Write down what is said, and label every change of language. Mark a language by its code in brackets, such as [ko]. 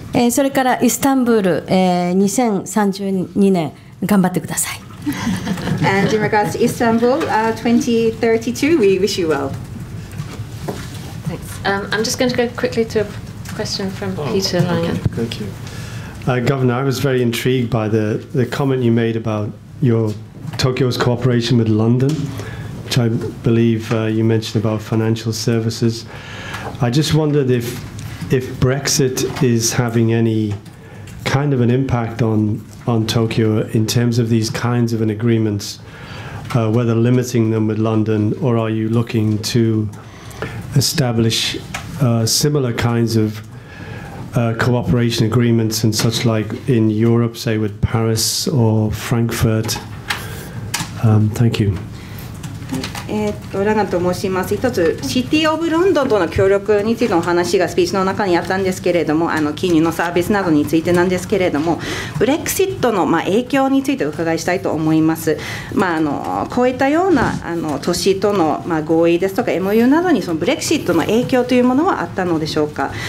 [ja] それから、イスタンブール、2032年、頑張ってください。 [en] And in regards to Istanbul, 2032, we wish you well. I'm just going to go quickly to a question from Peter Langer. Thank you. Governor, I was very intrigued by the comment you made about your Tokyo's cooperation with London, which I believe you mentioned about financial services. I just wondered if Brexit is having any kind of an impact on Tokyo in terms of these kinds of an agreements, whether limiting them with London, or are you looking toestablish similar kinds of cooperation agreements and such like in Europe, say with Paris or Frankfurt. Thank you. [ja] ラガンと申します。一つシティオブロンドンとの協力についての話がスピーチの中にあったんですけれども、金融のサービスなどについてなんですけれども、ブレクシットの影響についてお伺いしたいと思います。こういったような都市との合意ですとか MOU などにそのブレクシットの影響というものはあったのでしょうか。